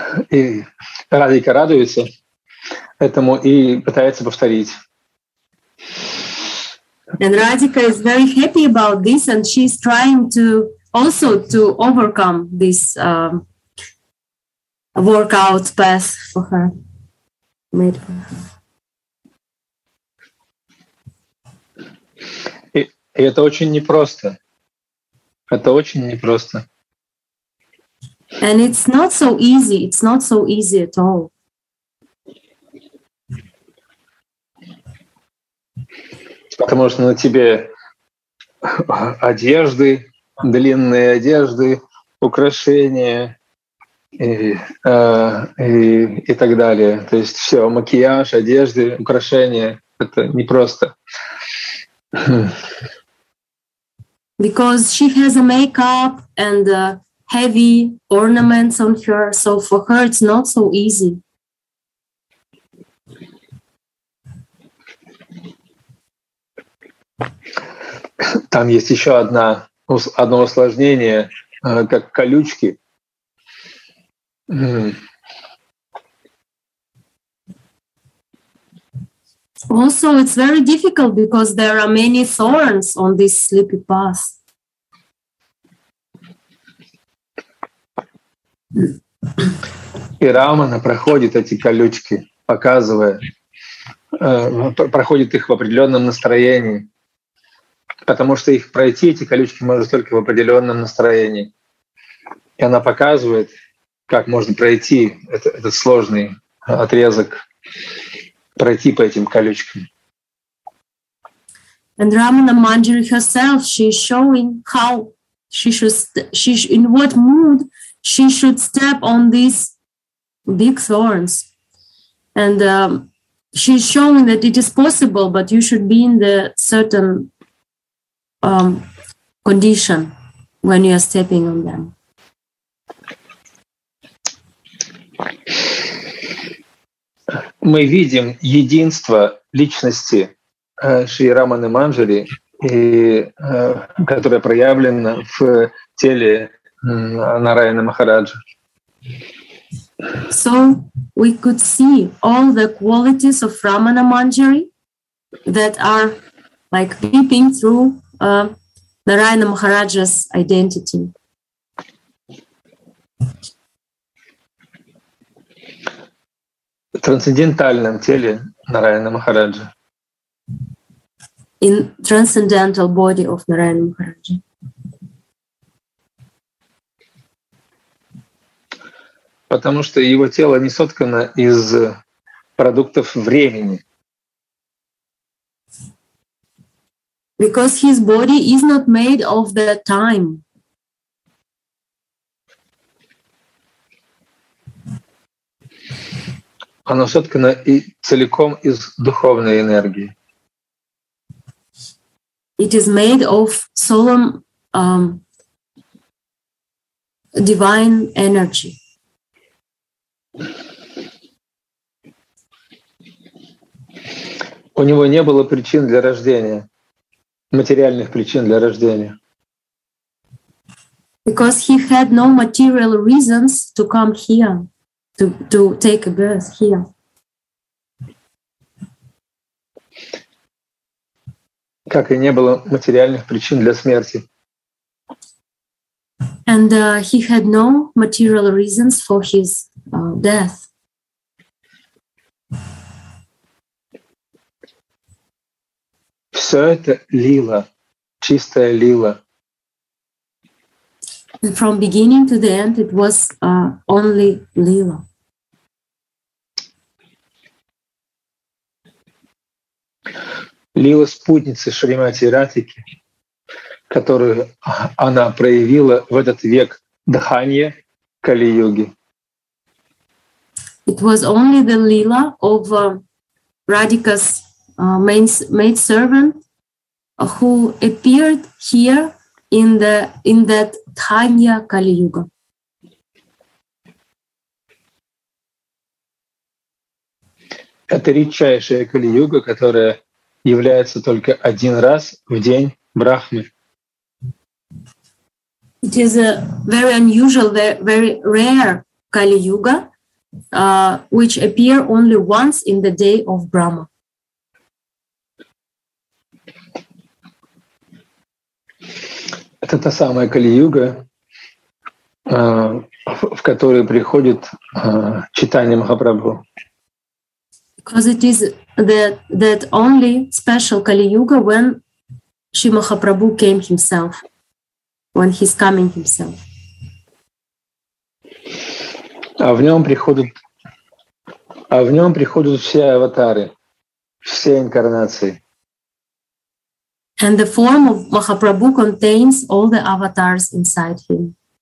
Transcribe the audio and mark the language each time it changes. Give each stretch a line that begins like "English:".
Russian: И Радика радуется этому и пытается повторить.
English: And Radhika is very happy about this, and she's trying to also to overcome this workout path for her. Made for her.
Russian: Это очень непросто. Это очень непросто.
English: And it's not so easy. It's not so easy at all.
Russian: Потому что на тебе одежды, длинные одежды, украшения и так далее. То есть все, макияж, одежды, украшения — это непросто.
English: Because she has a makeup and heavy ornaments on her, so for her it's not so easy.
Russian: Там есть еще одно усложнение, как колючки.
English: Also, it's very difficult because there are many thorns on this slippy path.
Russian: И Рамана проходит эти колючки, показывая, проходит их в определенном настроении. Потому что их пройти, эти колючки, можно только в определенном настроении. И она показывает, как можно пройти этот сложный отрезок, пройти по этим колючкам.
English: And Ramana Manjari herself, she is showing how she should, in what mood she should step on these big thorns. And she's showing that it is possible, but you should be in the certain condition when you are stepping on them.
Russian: Мы видим единство личности Шри Раманы Манджари, которое проявлено в теле Нараяны Махараджа.
English: So we could see all the qualities of Ramana Manjari that are like peeping through Narayana Maharaja's identity.
Russian: Трансцендентальном теле Нараяны Махараджи.
English: In transcendental body of Narayana Maharaja.
Russian: Потому что его тело не соткано из продуктов времени.
English: Because his body is not made of the time.
Russian: Оно соткано и целиком из духовной энергии.
English: It is made of solemn divine energy.
Russian: У него не было причин для рождения, материальных причин для рождения.
English: Because he had no material reasons to come here. To take a birth here.
Russian: Как и не было материальных причин для смерти.
English: And he had no material reasons for his death.
Russian: Все это лила, чистая лила.
English: From beginning to the end, it was only лила.
Russian: Лила спутницы Шримати Ратики, которую она проявила в этот век Дханья Кали-Юги.
English: It was only the Lila of Radhika's maidservant who appeared here in that Dhanya Kali-Yuga.
Russian: Это редчайшая Кали-Юга, которая является только один раз в день Брахмы.
English: It is a very unusual, very rare Kali Yuga, which appear only once in the day of Brahma.
Russian: Это та самая Кали Юга, в которую приходит читание Махапрабху.
English: Because it is that only special Kali Yuga when Shri Mahaprabhu came himself, when he's coming himself.
Russian: А в нем приходят все аватары, все инкарнации.
English: And the form of Mahaprabhu contains all the avatars inside him.